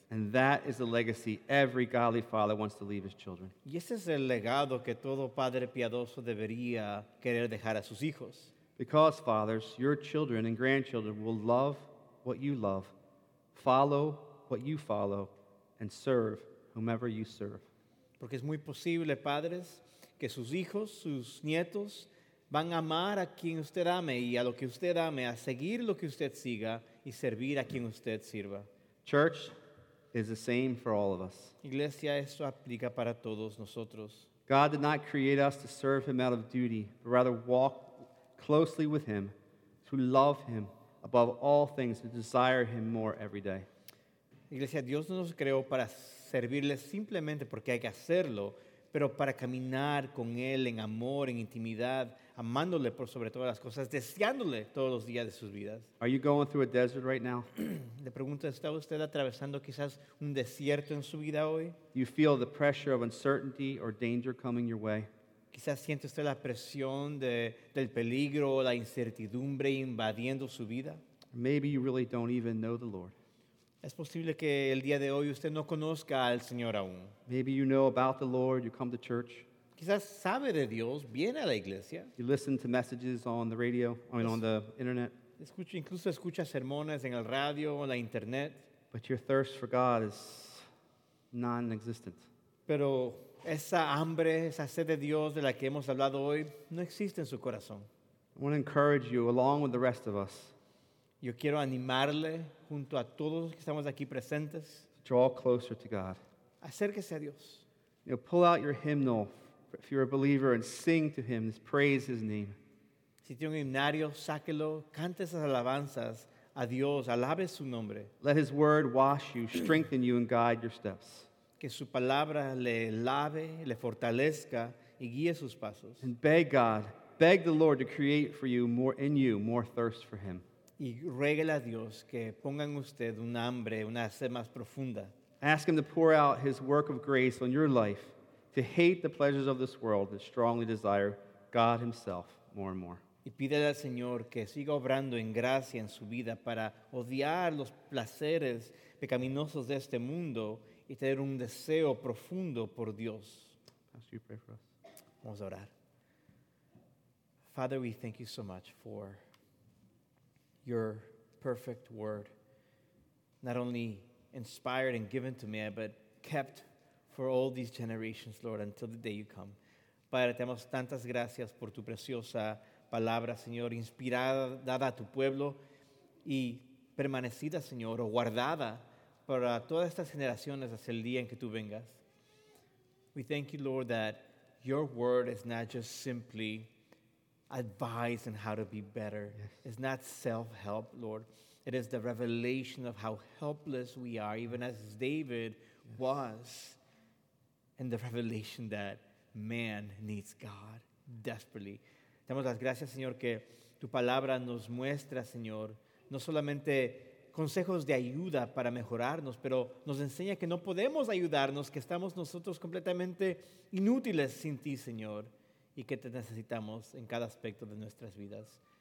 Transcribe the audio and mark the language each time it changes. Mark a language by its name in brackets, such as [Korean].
[English] And that is the legacy every godly father wants to leave his children. [Spanish] Y ese es el legado que todo padre piadoso debería querer dejar a sus hijos. [English] Because fathers, your children and grandchildren will love what you love, follow what you follow, and serve whomever you serve. [Spanish] Porque es muy posible, padres, que sus hijos, sus nietos, van a amar a quien usted ame y a lo que usted ame, a seguir lo que usted siga y servir a quien usted sirva. [English] Church is the same for all of us. [Spanish] Iglesia, esto aplica para todos nosotros. [English] God did not create us to serve him out of duty, but rather walk closely with him, to love him above all things, to desire him more every day. [Spanish] Iglesia, Dios no nos creó para servirle simplemente porque hay que hacerlo, pero para caminar con Él en amor, en intimidad, amándole por sobre todas las cosas, deseándole todos los días de sus vidas. [English] Are you going through a desert right now? [Spanish] Le pregunto, ¿está usted atravesando quizás un desierto en su vida hoy? [English] You feel the pressure of uncertainty or danger coming your way. [Spanish] Quizás siente usted la presión del peligro o la incertidumbre invadiendo su vida. [English] Maybe you really don't even know the Lord. [Spanish] Es posible que el día de hoy usted no conozca al Señor aún. [English] Maybe you know about the Lord, you come to church. [Spanish] Quizás sabe de Dios, viene a la iglesia. [English] You listen to messages on the radio, on the internet. [Spanish] Incluso escucha sermones en el radio o la internet. [English] But your thirst for God is non-existent. [Spanish] Pero esa hambre, esa sed de Dios de la que hemos hablado hoy, no existe en su corazón. [English] I want to encourage you along with the rest of us. [Spanish] Yo quiero animarle junto a todos los que estamos aquí presentes. [English] Draw closer to God. [Spanish] Acérquese a Dios. [English] You know, pull out your hymnal if you're a believer and sing to him, praise his name. [Spanish] Si tiene un himnario, sáquelo, cante esas alabanzas a Dios, alabe su nombre. [English] Let his word wash you, strengthen you and guide your steps. [Spanish] Que su palabra le lave, le fortalezca y guíe sus pasos. [English] And beg God, beg the Lord to create for you more in you, more thirst for him. [Spanish] Y ruégale a Dios que ponga en usted un hambre, una sed más profunda. [English] Ask him to pour out his work of grace on your life, to hate the pleasures of this world and strongly desire God himself more and more. [Spanish] Y pídele al Señor que siga obrando en gracia en su vida para odiar los placeres pecaminosos de este mundo y tener un deseo profundo por Dios. [English] Pastor, you pray for us. [Spanish] Vamos a orar. [English] Father, we thank you so much for your perfect word, not only inspired and given to me, but kept for all these generations, Lord, until the day you come. [Spanish] Padre, te damos tantas gracias por tu preciosa palabra, Señor, inspirada, dada a tu pueblo y permanecida, Señor, o guardada para todas estas generaciones hasta el día en que tú vengas. [English] We thank you, Lord, that your word is not just simply advice on how to be better. Yes. It's not self-help, Lord. It is the revelation of how helpless we are, even as David yes. was, and the revelation that man needs God, desperately. [Spanish] Damos las gracias, Señor, que tu palabra nos muestra, Señor, no solamente consejos de ayuda para mejorarnos, pero nos enseña que no podemos ayudarnos, que estamos nosotros completamente inútiles sin ti, Señor, y que te necesitamos en cada aspecto de nuestras vidas.